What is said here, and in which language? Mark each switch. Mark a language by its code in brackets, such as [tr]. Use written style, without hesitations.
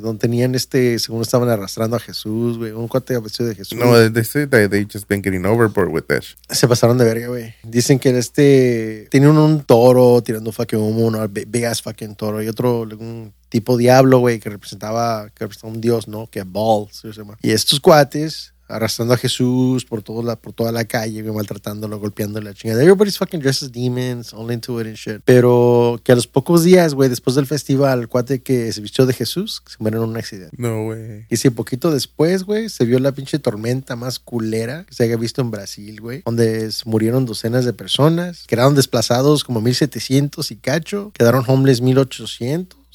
[es] Donde tenían según estaban arrastrando a Jesús, güey. Un cuate vestido de Jesús. [en] No, they say that they just been getting overboard with this. [es] Se pasaron de verga, güey. Dicen que tenían un toro tirando fucking humo, un [en] big ass fucking [es] toro. Y otro, un tipo diablo, güey, que representaba un dios, ¿no? Que Ball, se llama. Y estos cuates... arrastrando a Jesús por toda la calle, maltratándolo, golpeándole, la chingada. [en] Everybody's fucking dressed as demons, all into it and shit. [es] Pero que a los pocos días, güey, después del festival, el cuate que se vistió de Jesús se murió en un accidente. No, güey. Y si poquito después, güey, se vio la pinche tormenta más culera que se haya visto en Brasil, güey, donde murieron docenas de personas, quedaron desplazados como 1,700 y cacho, quedaron homeless 1,800.